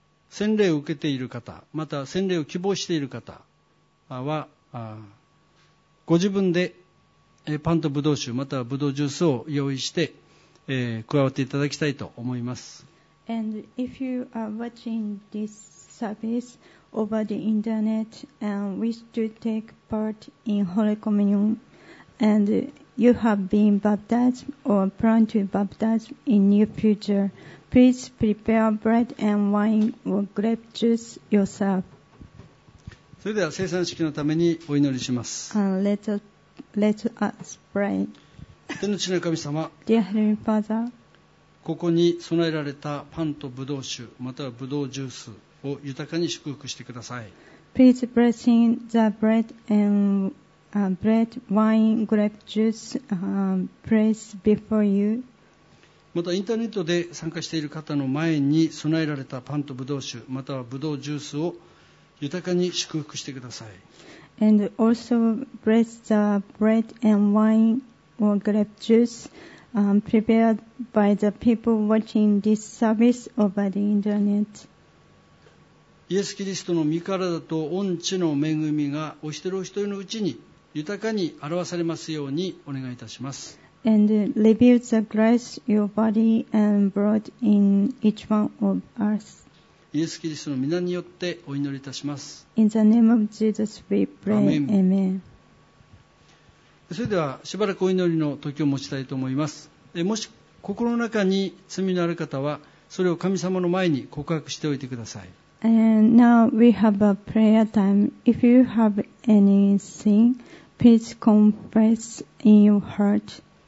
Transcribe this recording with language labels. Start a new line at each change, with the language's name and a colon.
Japanese: 洗礼を受けている方、また洗礼を希望している方は、ご自分でパンとブドウ酒、またはブドウジュースを用意して、加わっていただきたいと思います。
English: And if you are watching this service over the internet and wish to take part in Holy Communion and you have been baptized or plan to baptize in near future, please prepare bread and wine or grape juice yourself.
Japanese: それでは聖餐式のためにお祈りします。
English: Let us pray.
Japanese: 天の父なる神様、
English: Dear Heavenly Father,
Japanese: ここに備えられたパンとブドウ酒、またはブドウジュースを豊かに祝福してください。
English: Please bless in the bread and bread, wine, grape juice, placed before you.
Japanese: またインターネットで参加している方の前に備えられたパンとブドウ酒、またはブドウジュースを豊かに祝福してください。
English: And also bless the bread and wine or grape juice prepared by the people watching this service over the internet.
Japanese: イエス・キリストの御体と御血の恵みがお一人お一人のうちに豊かに表されますようにお願いいたします。
English: And reveal the grace your body and blood in each one of us.
Japanese: イエス・キリストの御名によってお祈りいたします。
English: In the name of Jesus we pray. Amen.
Japanese: それではしばらくお祈りの時を持ちたいと思います。もし心の中に罪のある方は、それを神様の前に告白しておいてください。
English: And now we have a prayer time. If you have any sin, please confess in your heart.